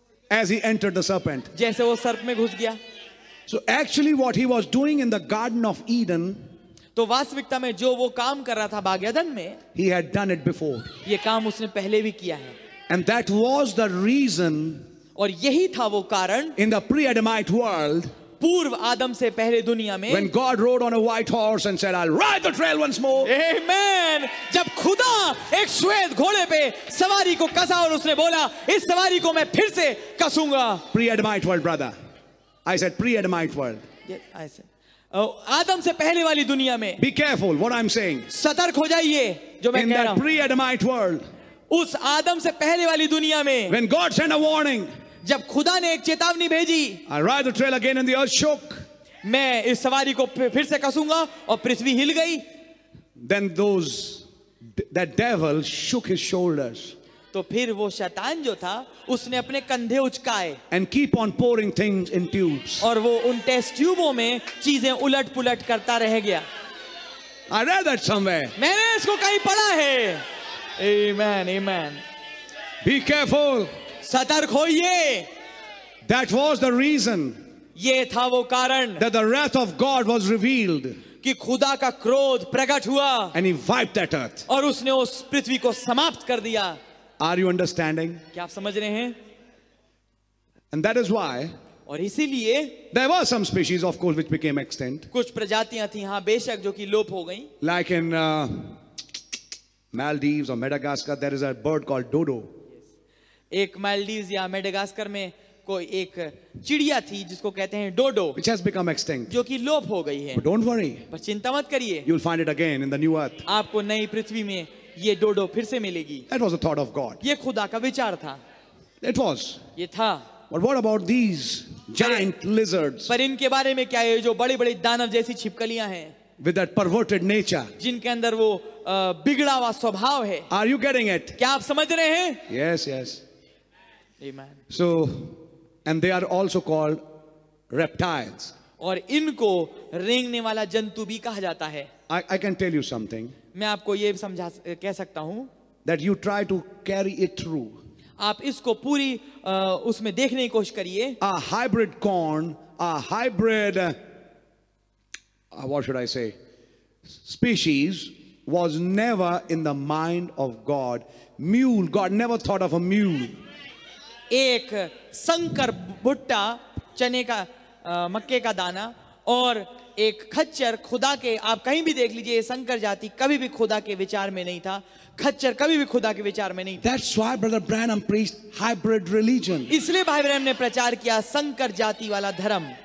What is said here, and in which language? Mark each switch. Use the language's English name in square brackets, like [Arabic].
[English] As he entered the serpent. [Hindi] जैसे वो सर्प में घुस गया. [English] So actually what he was doing in the Garden of Eden. [Hindi] तो वास्तविकता में जो वो काम कर रहा था बाग्यादन में. [English] He had done it before. [Hindi] ये काम उसने पहले भी किया है. [English] And that was the reason. [Hindi] और यही था वो कारण. [English] In the pre-Adamite world. [Hindi] पूर्व आदम से पहले दुनिया में. [English] When God rode on a white horse and said, "I'll ride the trail once more." Amen. [Hindi] जब खुदा एक श्वेत घोड़े पे सवारी को कसा और उसने बोला, इस सवारी को मैं फिर से कसूंगा. [English] Pre-Adamite world, brother. I said pre-Adamite world. Yes, I said. [Hindi] आदम से पहले वाली दुनिया में. [English] Be careful what I'm saying. [Hindi] सतर्क हो जाइए जो मैं कह रहा हूँ. [English] In that pre-Adamite world. [Hindi] उस आदम से पहले वाली दुनिया में. [English] When God sent a warning. [Hindi] जब खुदा ने एक चेतावनी भेजी, [English] I ride the trail again and the earth shook. [Hindi] मैं इस सवारी को फिर से कसूंगा और पृथ्वी हिल गई. [English] Then that devil shook his shoulders. [Hindi] तो फिर वो शैतान जो था, उसने अपने कंधे उचकाए. [English] And keep on pouring things in tubes. [Hindi] और वो उन टेस्ट ट्यूबों में चीजें उलट पुलट करता रह गया. [English] I read that somewhere. [Hindi] मैंने इसको कहीं पढ़ा है. Amen, amen. [English] Be careful. [Hindi] सतर्क होइए. [English] That was the reason. [Hindi] ये था वो कारण. [English] That the wrath of God was revealed. [Hindi] कि खुदा का क्रोध प्रकट हुआ. [English] And he wiped that earth. [Hindi] और उसने उस पृथ्वी को समाप्त कर दिया. [English] Are you understanding? [Hindi] क्या आप समझ रहे हैं? [English] And that is why. [Hindi] और इसीलिए. [English] There were some species, of course, which became extinct. [Hindi] कुछ प्रजातियां थी, हाँ, बेशक, जो कि लोप हो गईं. [English] Like in Maldives or Madagascar, there is a bird called dodo. [Hindi] एक मालदीव या मेडागास्कर में कोई एक चिड़िया थी जिसको कहते हैं डोडो, [English] which has become extinct, [Hindi] जो कि लोप हो गई है. [English] But don't worry, [Hindi] पर चिंता मत करिए, [English] you'll find it again in the new earth. [Hindi] आपको नई पृथ्वी में ये डोडो फिर से मिलेगी. [English] That was the thought of God. [Hindi] ये खुदा का विचार था. [English] It was. [Hindi] ये था. [English] But what about these giant lizards? [Hindi] पर इनके बारे में क्या है, जो बड़े बड़े दानव जैसी छिपकलियां हैं. [English] With that perverted nature. [Hindi] जिनके अंदर वो बिगड़ा हुआ स्वभाव है. [English] Are you getting it? [Hindi] क्या आप समझ रहे हैं? [English] Yes, yes. Amen. So, and they are also called reptiles. [Hindi] और इनको रेंगने वाला जंतु भी कहा जाता है. [English] I can tell you something. [Hindi] मैं आपको ये समझा कह सकता हूँ. [English] That you try to carry it through. [Hindi] आप इसको पूरी उसमें देखने की कोशिश करिए. [English] A hybrid corn, a hybrid, what should I say, species was never in the mind of God. Mule, God never thought of a mule. [Hindi] एक संकर भुट्टा, चने का मक्के का दाना, और एक खच्चर, खुदा के, आप कहीं भी देख लीजिए, संकर जाति कभी भी खुदा के विचार में नहीं था. खच्चर कभी भी खुदा के विचार में नहीं था. [English] That's why Brother Branham preached hybrid religion. [Hindi] इसलिए भाई ब्रैनम ने प्रचार किया संकर जाति वाला धर्म.